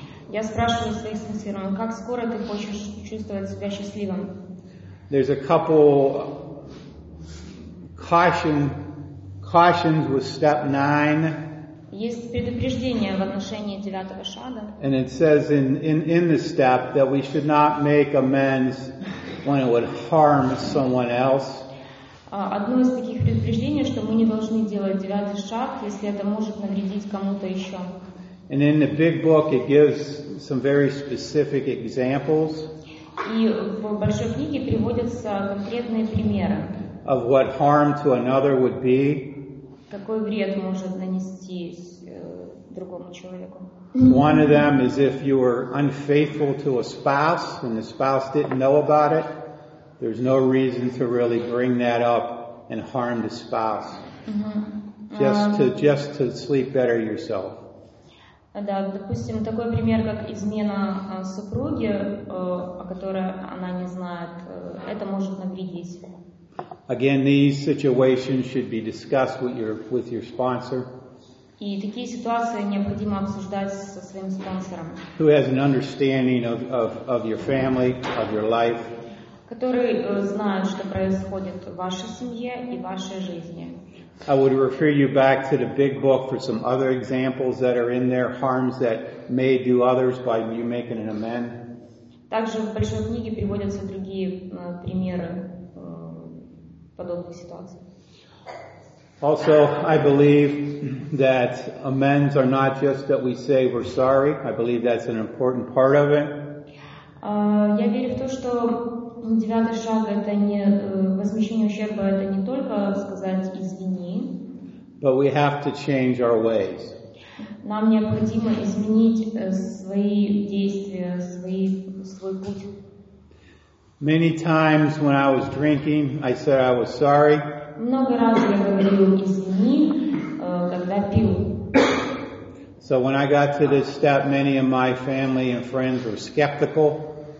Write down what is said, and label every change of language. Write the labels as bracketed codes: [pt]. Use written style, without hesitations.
[ru] Я спрашиваю своих спонсоров, как скоро ты хочешь чувствовать себя счастливым? [en] There's a couple cautions with step 9. [ru] Есть предупреждение в отношении девятого шага. [en] And it says in the step that we should not make amends when it would harm someone else. [ru] Одно из таких предупреждений, что мы не должны делать девятый шаг, если это может навредить кому-то еще. [en] And in the big book it gives some very specific examples. [ru] И в большой книге приводятся конкретные примеры. [en] Of what harm to another would be. [ru] Какой вред может нанести другому человеку? [en] One of them is if you were unfaithful to a spouse and the spouse didn't know about it, there's no reason to really bring that up and harm the spouse. Just to sleep better yourself. [ru] Да, допустим, такой пример, как измена супруги, о которой она не знает, это может навредить. [en] Again, these situations should be discussed with your sponsor. [ru] И такие ситуации необходимо обсуждать со своим спонсором. [en] Who has an understanding of your family, of your life. [ru] Который знает, что происходит в вашей семье и в вашей жизни. [en] I would refer you back to the big book for some other examples that are in there, harms that may do others by you making an amend. [ru] Также в большой книге приводятся другие примеры подобных ситуаций. [en] Also, I believe that amends are not just that we say we're sorry. I believe that's an important part of it. [ru] Я верю в то, что девятый шаг — это не возмещение ущерба, это не только сказать «извини». [en] But we have to change our ways. [ru] Нам необходимо изменить свои действия, свой путь. [en] Many times when I was drinking, I said I was sorry. [ru] Много раз я говорил «извини», когда пил. [en] So when I got to this step, many of my family and friends were skeptical.